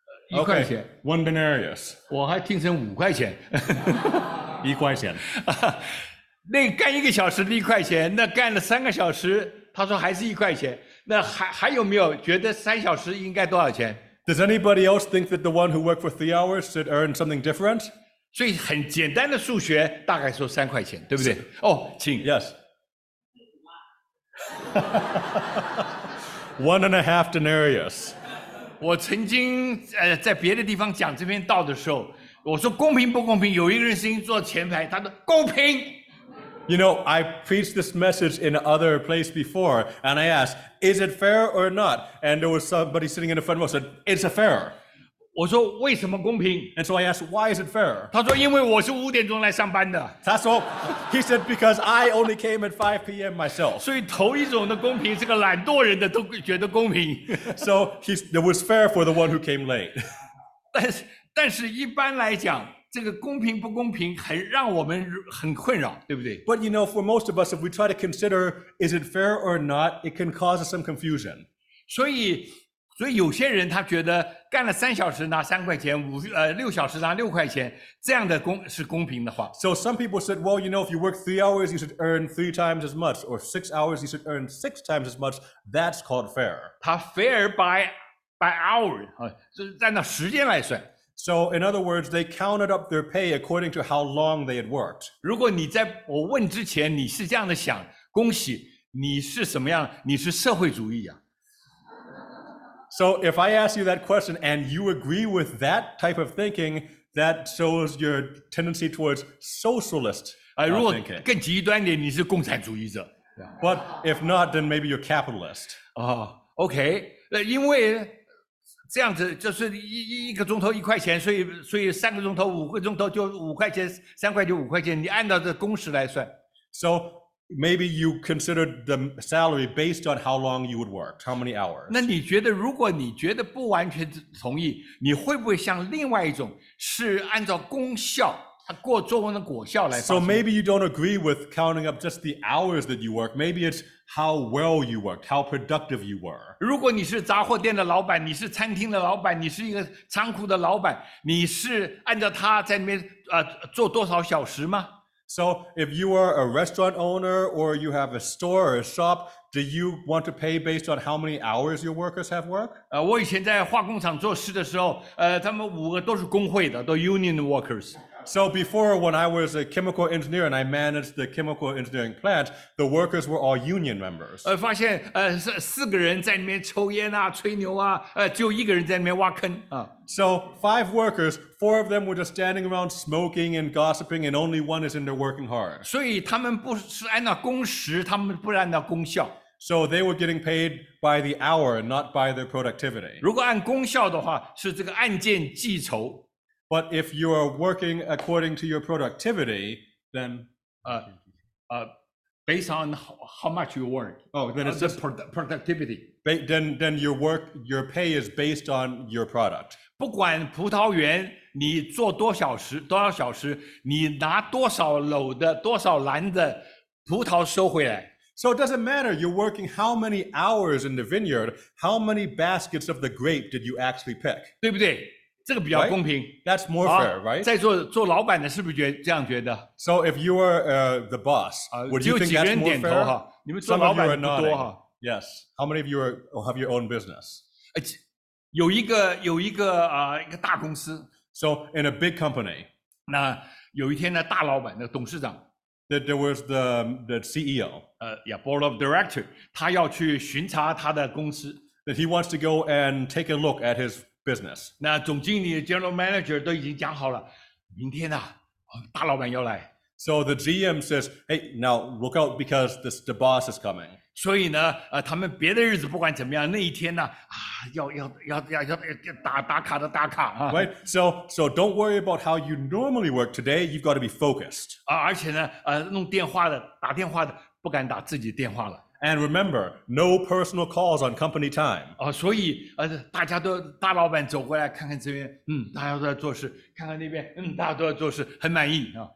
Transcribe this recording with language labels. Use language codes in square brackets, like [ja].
[zh] 一块钱 [en] ，one denarius。 [zh] 我还听成五块钱，一块钱。那干一个小时的一块钱，那干了三个小时，他说还是一块钱。那还有没有觉得三小时应该多少钱 [en] ？Does anybody else think that the one who worked for 3 hours should earn something different？ [zh] 所以很简单的数学大概说三块钱对不对哦、oh, 请 [en] Yes One and a half denarius [zh] 我曾经在别的地方讲这篇道的时候我说公平不公平有一个人声音坐前排他说公平 [en] You know I preached this message in other place before and I asked is it fair or not and there was somebody sitting in the front row said it's a fair [zh] 我说为什么公平 [en] ？And so I asked, why is it fair? [zh] 他说因为我是5点钟来上班的。他说， [en] He said because I only came at 5 p.m. myself. [zh] 所以头一种的公平是个懒惰人的都觉得公平。 [en] So it was fair for the one who came late. [zh] 但是一般来讲，这个公平不公平很让我们很困扰，对不对 [en] ？But you know, for most of us, if we try to consider is it fair or not, it can cause some confusion. [zh] 所以有些人他觉得干了三小时拿三块钱六小时拿六块钱这样的是公平的话。 [en] So some people said, well, you know, if you work 3 hours, you should earn 3 times as much, or 6 hours, you should earn 6 times as much. That's called fair. [zh] 他 [en] fair by hour, [zh] 就是按照时间来算。 [en] So in other words, they counted up their pay according to how long they had worked. [zh] 如果你在我问之前你是这样的想恭喜你是什么样你是社会主义啊。 [en] So if I ask you that question and you agree with that type of thinking, that shows your tendency towards socialist thinking. [zh] 如果更极端点，你是共产主义者。 [en] But if not, then maybe you're capitalist. [zh] OK. 因为这样子就是一个钟头一块钱，所以三个钟头五个钟头就五块钱，三块就五块钱，你按照这工时来算。 [en] So. Maybe you considered the salary based on how long you would work, how many hours. [zh] 那你觉得如果你觉得不完全同意，你会不会像另外一种是按照功效，它过作文的果效来发 [en] 生？ So maybe you don't agree with counting up just the hours that you work. Maybe it's how well you worked, how productive you were. [zh] 如果你是杂货店的老板，你是餐厅的老板，你是一个仓库的老板，你是按照他在那边做多少小时吗？ [en] So if you are a restaurant owner or you have a store or a shop, do you want to pay based on how many hours your workers have worked? [zh] 我以前在化工厂做事的时候他们五个都是工会的都 [en] union workers. So before when I was a chemical engineer and I managed the chemical engineering plant, the workers were all union members. [zh] 发现四个人在那边抽烟啊吹牛啊就一个人在那边挖坑啊。 [en] So 5 workers, 4 of them were just standing around smoking and gossiping, and only one is in there working hard. [zh] 所以他们不是按照工时，他们不是按照工效。 [en] So they were getting paid by the hour, not by their productivity. [zh] 如果按工效的话，是这个按件计酬。 [en] But if you are working according to your productivity, then based on how much you work. Oh, then it's just productivity. Then your pay is based on your product. [zh] 不管葡萄园你做多少小时，多少小时，你拿多少篓的多少篮的葡萄收回来。 [en] So it doesn't matter. You're working how many hours in the vineyard? How many baskets of the grape did you actually pick? [zh] 对不对？这个比较公平。 [en] Right? That's more fair, right? [zh] 在做老板的是不是这样觉得 [en] ？So if you are the boss, would you think that's more fair? [zh] 只有几个人点头哈，你们做老板的不多哈。 [en] Yes. How many of you have your own business? [zh] 有一个大公司。 [en] So in a big company. [zh] 那有一天呢，大老板，那董事长。 [en] That there was the CEO. Board of Director. [zh] 他要去巡查他的公司。 [en] That he wants to go and take a look at his business. [zh] 那总经理 General Manager 都已经讲好了，明天呢，大老板要来。 [en] So the GM says, "Hey, now look out because the boss is coming." [zh] 所以呢，他们别的日子不管怎么样，那一天呢，要打卡。 [en] Right? So don't worry about how you normally work today. You've got to be focused. [zh] 而且呢，弄电话的打电话的不敢打自己电话了。 [en] And remember, no personal calls on company time. [zh] 哦，所以大家都大老板走过来看看这边，大家都在做事；看看那边，大家都在做事，很满意啊。